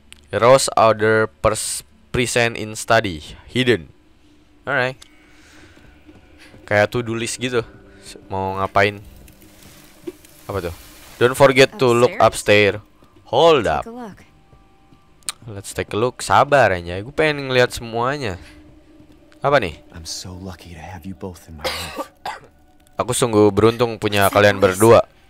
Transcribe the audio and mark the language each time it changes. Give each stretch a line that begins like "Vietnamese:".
English: Rose order present in study hidden. Alright.
Indonesian: Kayak to do list gitu. Mau ngapain? Apa tuh?
English: Don't forget to look upstairs. Hold up. Let's take a look.
Indonesian: Sabar aja. Gue pengen ngeliat semuanya. Apa nih?
English: I'm so lucky to have you both in my life.
Indonesian: Aku sungguh beruntung punya kalian berdua.